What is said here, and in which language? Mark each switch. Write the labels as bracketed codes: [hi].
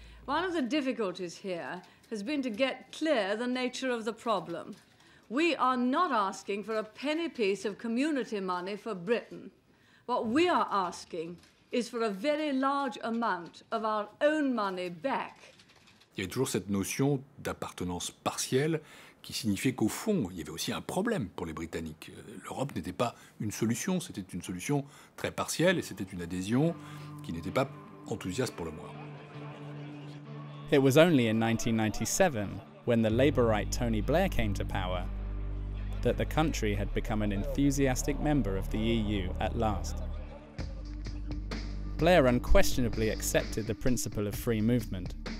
[en] One of the difficulties here has been to get clear the nature of the problem. We are not asking for a penny piece of community money for Britain. What we are asking is for a very large amount of our own money back. [fr] Il y a toujours cette notion d'appartenance partielle qui signifiait qu'au fond, il y avait aussi un problème pour les Britanniques. L'Europe n'était pas une solution, c'était une solution très partielle et c'était une adhésion qui n'était pas enthousiaste pour le moins. [en] It was only in 1997, when the Labourite Tony Blair came to power, that the country had become an enthusiastic member of the EU at last. Blair unquestionably accepted the principle of free movement.